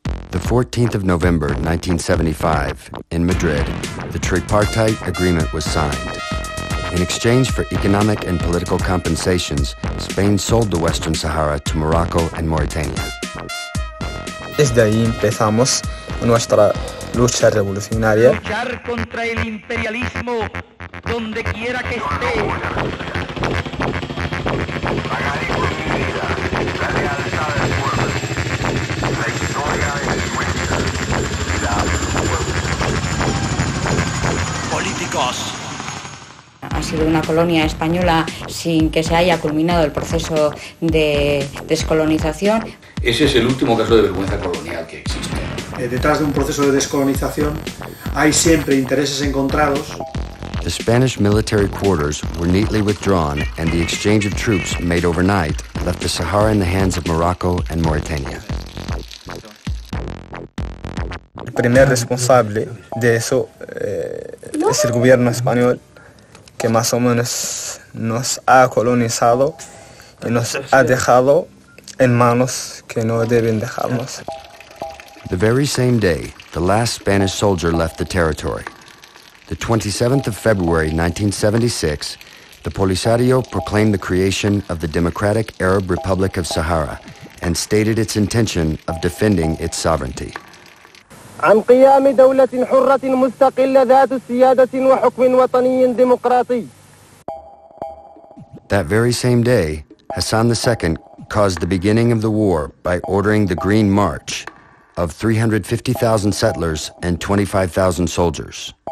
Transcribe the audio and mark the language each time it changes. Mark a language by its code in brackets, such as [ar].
[en] The 14th of November, 1975, in Madrid, the tripartite agreement was signed. In exchange for economic and political compensations, Spain sold the Western Sahara to Morocco and Mauritania. [es] Desde ahí empezamos nuestra lucha revolucionaria. Luchar contra el imperialismo, donde quiera que esté. Políticos. Ha sido una colonia española sin que se haya culminado el proceso de descolonización. Ese es el último caso de vergüenza colonial que existe. Detrás de un proceso de descolonización hay siempre intereses encontrados. [en] The Spanish military quarters were neatly withdrawn and the exchange of troops made overnight left the Sahara in the hands of Morocco and Mauritania. [es] El primer responsable de eso es el gobierno español, que más o menos nos ha colonizado y nos ha dejado en manos que no deben dejarnos. [en] The very same day, the last Spanish soldier left the territory. The 27th of February, 1976, the Polisario proclaimed the creation of the Democratic Arab Republic of Sahara and stated its intention of defending its sovereignty. [ar] عن قيام دولة حرة مستقلة ذات سيادة وحكم وطني ديمقراطي. [en] That very same day, Hassan II caused the beginning of the war by ordering the Green March of 350,000 settlers and 25,000 soldiers.